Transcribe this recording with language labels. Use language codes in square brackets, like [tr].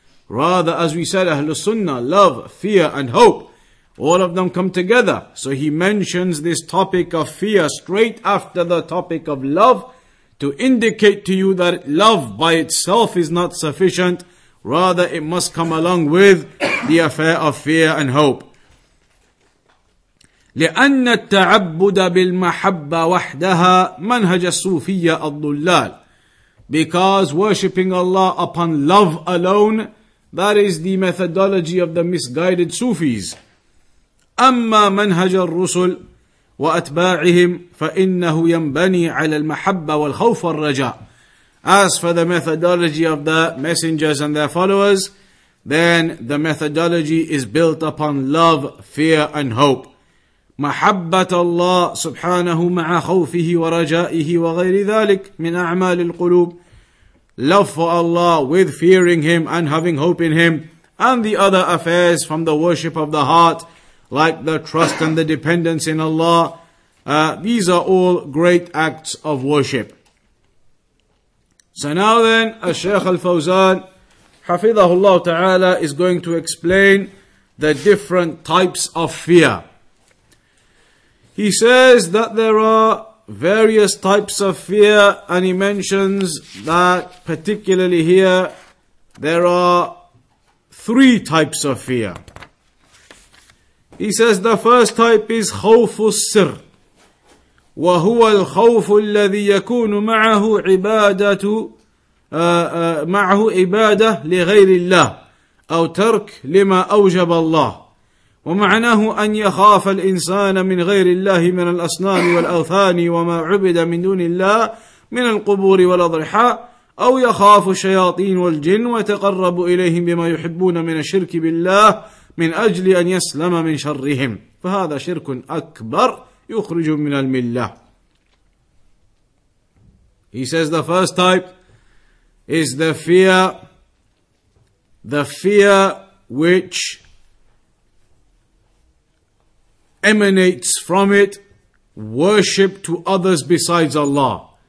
[en] Rather, as we said, Ahlul Sunnah, love, fear and hope, all of them come together. So he mentions this topic of fear straight after the topic of love to indicate to you that love by itself is not sufficient. Rather, it must come along with the affair of fear and hope. [ar] لأن التعبد بالمحبة وحدها منهج الصوفية الضلال. [en] Because worshipping Allah upon love alone, that is the methodology of the misguided Sufis. [ar] أما منهج الرسل وأتباعهم فإنه ينبني على المحبة والخوف والرجاء. [en] As for the methodology of the messengers and their followers, then the methodology is built upon love, fear and hope. [ar] محبة الله سبحانه مع خوفه ورجائه وغير ذلك من أعمال القلوب. [en] Love for Allah with fearing Him and having hope in Him, and the other affairs from the worship of the heart, like the trust and the dependence in Allah. These are all great acts of worship. So now then, الشيخ الفوزان [ar] حفظه الله تعالى [en] is going to explain the different types of fear. He says that there are various types of fear, and he mentions that particularly here, there are three types of fear. He says the first type is خوف السر. [ar] وهو الخوف الذي يكون معه عبادة معه عبادة لغير الله أو ترك لما أوجب الله. ومعناه أن يخاف الإنسان من غير الله من الأصنام والأوثان وما عبد من دون الله من القبور والأضرحة أو يخاف الشياطين والجن وتقرب إليهم بما يحبون من الشرك بالله من أجل أن يسلم من شرهم فهذا شرك أكبر يخرج من الملة. [en] He says the first type is the fear which emanates from it worship to others besides Allah.